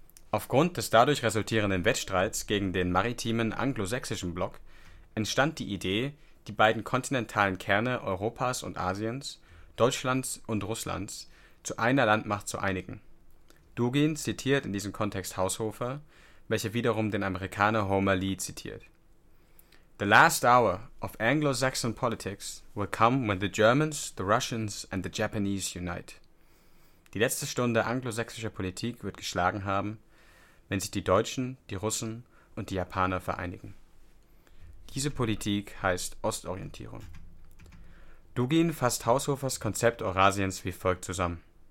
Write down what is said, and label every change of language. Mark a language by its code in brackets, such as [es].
[de] Aufgrund des dadurch resultierenden Wettstreits gegen den maritimen anglosächsischen Block entstand die Idee, die beiden kontinentalen Kerne Europas und Asiens, Deutschlands und Russlands, zu einer Landmacht zu einigen. Dugin zitiert in diesem Kontext Haushofer, welcher wiederum den Amerikaner Homer Lee zitiert. [en] The last hour of Anglo-Saxon politics will come when the Germans, the Russians and the Japanese unite. [de] Die letzte Stunde anglosächsischer Politik wird geschlagen haben, wenn sich die Deutschen, die Russen und die Japaner vereinigen. Diese Politik heißt Ostorientierung. Dugin fasst Haushofers Konzept Eurasiens wie folgt zusammen.